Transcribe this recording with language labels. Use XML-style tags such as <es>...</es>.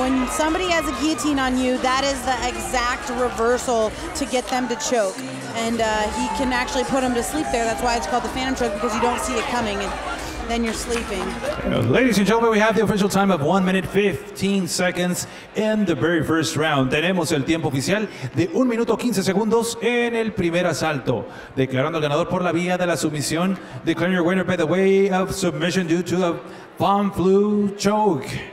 <en>When somebody has a guillotine on you, that is the exact reversal to get them to choke. And he can actually put them to sleep there. That's why it's called the phantom choke, because you don't see it coming and then you're sleeping. Ladies and gentlemen, we have the official time of 1 minute 15 seconds in the very first round.</en> <es>Tenemos el tiempo oficial de 1 minuto 15 segundos en el primer asalto. Declarando el ganador por la vía de la sumisión.</es> <en>Declaring your winner by the way of submission due to the Von Flue choke.</en>